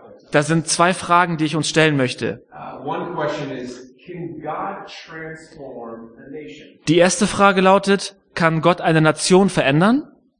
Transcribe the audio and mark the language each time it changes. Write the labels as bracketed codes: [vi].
[de] Da sind zwei Fragen, die ich uns stellen möchte. [en] One question is, can God transform a nation? [de] Die erste Frage lautet, kann Gott eine Nation verändern?